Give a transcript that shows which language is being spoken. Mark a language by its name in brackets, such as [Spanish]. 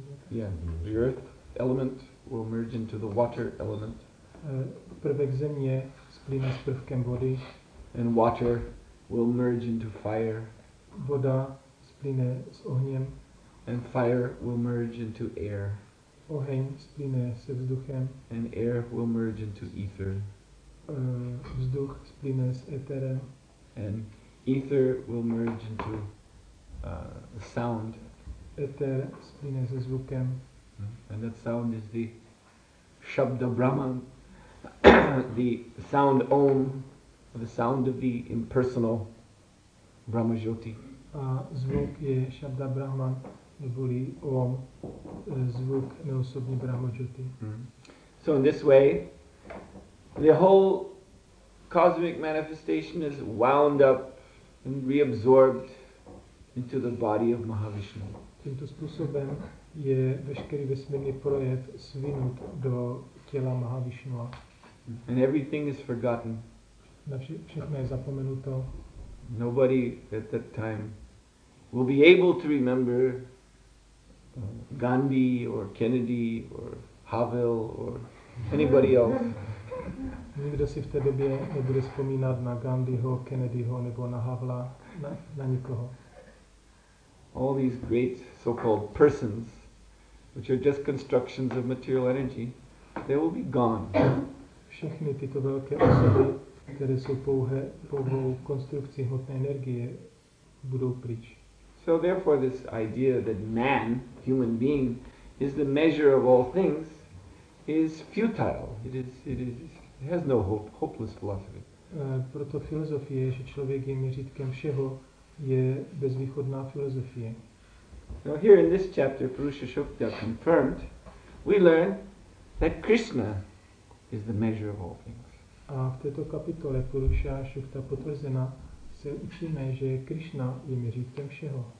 [English] The earth element will merge into the water element. [Czech] Prvek země splyne s prvkem vody. [English] And water will merge into fire. [Czech] Voda splyne s ohněm. [English] And fire will merge into air. [Czech] Oheň splyne se vzduchem. [English] And air will merge into ether. [Czech] Vzduch splyne s éterem. [English] And ether will merge into sound. [Czech] Éter splyne se zvukem. [English] And that sound is the Shabda Brahman, the sound Om. The sound of the impersonal Brahma Jyoti. [Czech] A zvuk je Shabda Brahman, neboli Om, zvuk neosobní Brahma Jyoti. [English] So in this way, the whole cosmic manifestation is wound up and reabsorbed into the body of Mahavishnu. [Czech] Tímto způsobem je veškerý vesmírný projev svinut do těla Mahavishnu. [English] And everything is forgotten. [Czech] Všechno je zapomenuto. [English] Nobody at that time will be able to remember Gandhi or Kennedy or Havel or anybody else. [Czech] Nikdo si v té době nebude vzpomínat na Gandhiho, Kennedyho nebo na Havla, na nikoho. [English] All these great so-called persons, which are just constructions of material energy, they will be gone. [Czech] Všechny tyto velké osoby, které jsou pouhou konstrukcí hmotné energie, budou pryč. [English] So therefore this idea that man, human being, is the measure of all things is futile. It has no hope, hopeless philosophy. [Czech] Proto filozofie, že člověk je měřítkem všeho, je bezvýchodná filozofie. [English] Now here in this chapter, Purusha Shukta confirmed, we learn that Krishna is the measure of all things. [Czech] A v této kapitole Purusha Shukta potvrzena se učíme, že Krishna je měřítkem všeho.